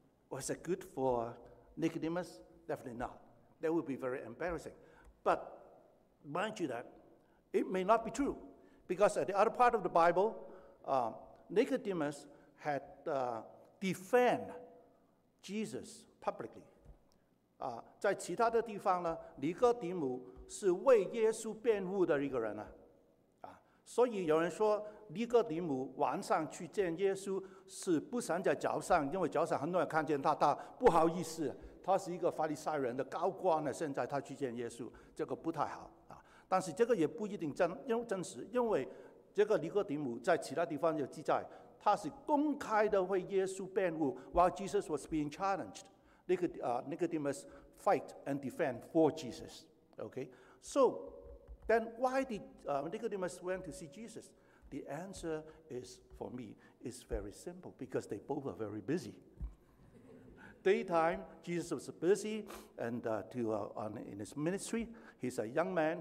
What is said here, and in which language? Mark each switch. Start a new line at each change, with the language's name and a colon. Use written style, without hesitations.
English: Was it good for Nicodemus? Definitely not. That would be very embarrassing. But mind you that, it may not be true, because at the other part of the Bible, Nicodemus had defend Jesus publicly.
Chinese: 在其他的地方呢，尼哥底母是为耶稣辩护的一个人所以有人说尼哥底母晚上去见耶稣是不想在早上，因为早上很多人看见他不好意思，他是一个法利赛人的高官呢，现在他去见耶稣，这个不太好但是这个也不一定真实，因为这个尼哥底母在其他地方有记载，他是公开的为耶稣辩护 ，
English: while Jesus was being challenged. Nicodemus fight and defend for Jesus. Okay, so then why did Nicodemus went to see Jesus? The answer is for me is very simple because they both are very busy. Daytime, Jesus was busy and in his ministry. He's a young man.